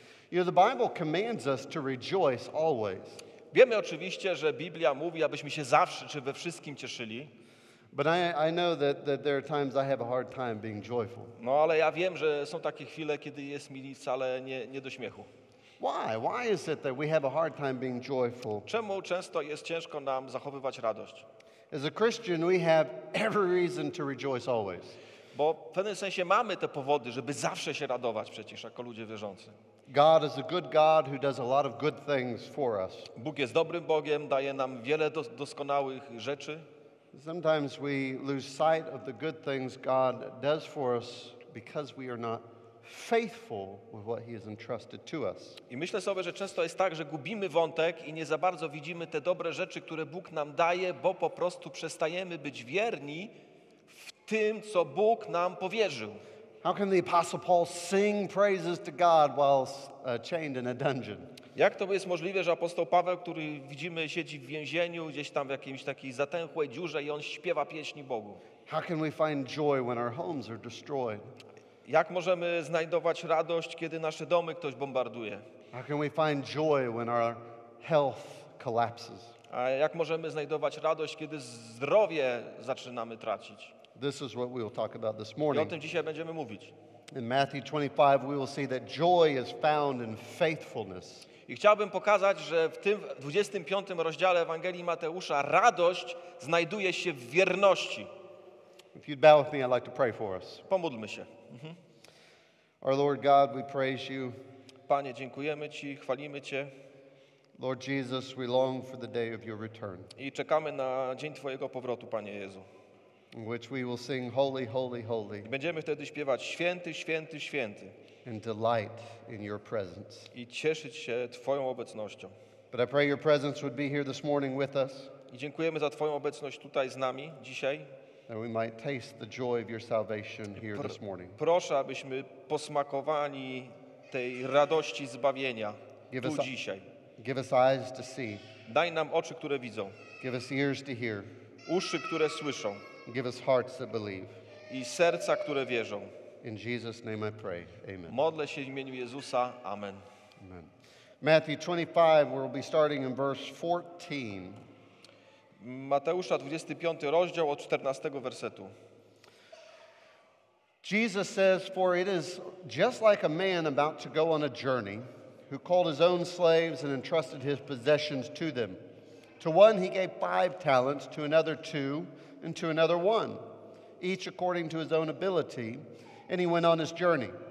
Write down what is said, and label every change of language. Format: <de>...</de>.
<en>The Bible commands us to rejoice always.</en> <pl>Wiemy oczywiście, że Biblia mówi, abyśmy się zawsze czy we wszystkim cieszyli.</pl> <en>But I know that there are times I have a hard time being joyful.</en> <pl>No, ale ja wiem, że są takie chwile, kiedy jest mi wcale nie do śmiechu.</pl> <en>Why is it that we have a hard time being joyful?</en> <pl>Czemu często jest ciężko nam zachowywać radość?</pl> <en>As a Christian, we have every reason to rejoice always.</en> <pl>Bo w pewnym sensie mamy te powody, żeby zawsze się radować przecież jako ludzie wierzący.</pl> <en>God is a good God who does a lot of good things for us.</en> <pl>Bóg jest dobrym Bogiem, daje nam wiele doskonałych rzeczy.</pl> <en>Sometimes we lose sight of the good things God does for us because we are not faithful with what He has entrusted to us.</en> <pl>I myślę sobie, że często jest tak, że gubimy wątek i nie za bardzo widzimy te dobre rzeczy, które Bóg nam daje, bo po prostu przestajemy być wierni w tym, co Bóg nam powierzył.</pl> <en>How can the Apostle Paul sing praises to God while chained in a dungeon?</en> <pl>Jak to jest możliwe, że apostoł Paweł, który widzimy, siedzi w więzieniu, gdzieś tam w jakiejś takiej zatęchłej dziurze i on śpiewa pieśni Bogu?</pl> <en>How can we find joy when our homes are destroyed?</en> <pl>Jak możemy znajdować radość, kiedy nasze domy ktoś bombarduje?</pl> <en>How can we find joy when our health collapses?</en> <pl>A jak możemy znajdować radość, kiedy zdrowie zaczynamy tracić?</pl> <en>This is what we'll talk about this morning.</en> <pl>I o tym dzisiaj będziemy mówić.</pl> <en>In Matthew 25 we will see that joy is found in faithfulness.</en> <pl>I chciałbym pokazać, że w tym 25 rozdziale Ewangelii Mateusza radość znajduje się w wierności.</pl> <en>If you'd bow with me, I'd like to pray for us.</en> <pl>Pomódlmy się.</pl> <en>Our Lord God, we praise you.</en> <pl>Panie, dziękujemy ci, chwalimy cię.</pl> <en>Lord Jesus, we long for the day of your return.</en> <pl>I czekamy na dzień twojego powrotu, Panie Jezu.</pl> <en>In which we will sing holy, holy, holy.</en> <pl>I będziemy wtedy śpiewać święty, święty, święty.</pl> <en>And delight in your presence.</en> <pl>I cieszyć się twoją obecnością.</pl> <en>But I pray your presence would be here this morning with us.</en> <pl>I dziękujemy za twoją obecność tutaj z nami dzisiaj.</pl> <en>That we might taste the joy of your salvation here this morning.</en> <pl>Proszę, abyśmy posmakowani tej radości zbawienia tu dzisiaj.</pl> <en>Give us eyes to see.</en> <pl>Daj nam oczy, które widzą.</pl> <en>Give us ears to hear.</en> <pl>Uszy, które słyszą.</pl> <en>Give us hearts that believe.</en> <pl>I serca, które wierzą.</pl> <en>In Jesus' name I pray. Amen.</en> <pl>Modlę się w imieniu Jezusa. Amen. Amen.</pl> <en>Matthew 25, we'll be starting in verse 14.</en> <pl>Mateusza 25 rozdział od 14 wersetu.</pl> <en>Jesus says, "For it is just like a man about to go on a journey, who called his own slaves and entrusted his possessions to them. To one he gave 5 talents, to another 2, and to another 1, each according to his own ability, and he went on his journey.</en>